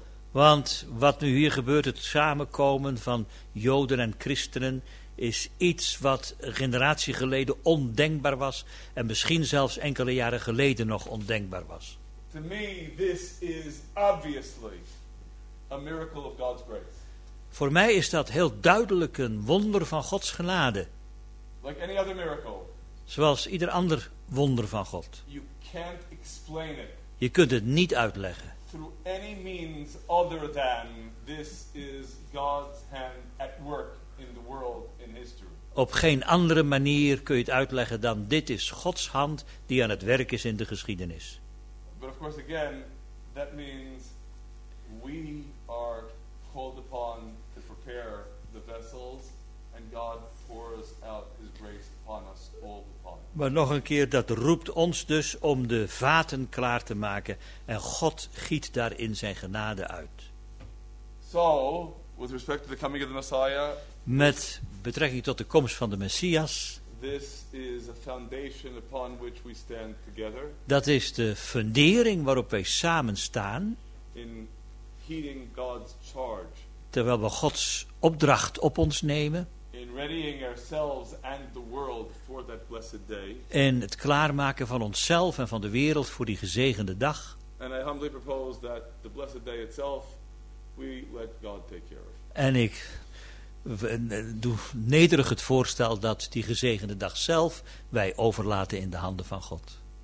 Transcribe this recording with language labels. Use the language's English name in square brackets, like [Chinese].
[Dutch] Want wat nu hier gebeurt, het samenkomen van Joden en Christenen, is iets wat een generatie geleden ondenkbaar was en misschien zelfs enkele jaren geleden nog ondenkbaar was. [English] To me, this is obviously a miracle of God's grace. [Dutch] Voor mij is dat heel duidelijk een wonder van Gods genade. [English] Like any other miracle. [Dutch] Zoals ieder ander wonder van God. [English] You can't explain it. [Dutch] Je kunt het niet uitleggen. [English] Through any means other than this is God's hand at work in the world in history. [Dutch] Op geen andere manier kun je het uitleggen dan dit is Gods hand die aan het werk is in de geschiedenis. [English] But of course again, that means we are called upon to prepare the vessels and God pours out his grace upon us all. [Dutch] Maar nog een keer, dat roept ons dus om de vaten klaar te maken. En God giet daarin zijn genade uit. [English] So, with respect to the coming of the Messiah, [Dutch] met betrekking tot de komst van de Messias. [English] This is a foundation upon which we stand together. [Dutch] Dat is de fundering waarop wij samen staan. [English] In heeding God's charge. [Dutch] Terwijl we Gods opdracht op ons nemen. [English] In readying ourselves and the world for that blessed day. [Dutch] In het klaarmaken van onszelf en van de wereld voor die gezegende dag. [English] And I humbly propose that the blessed day itself we let God take care of. [Dutch] En ik doe nederig het voorstel dat die gezegende dag zelf wij overlaten in de handen van God.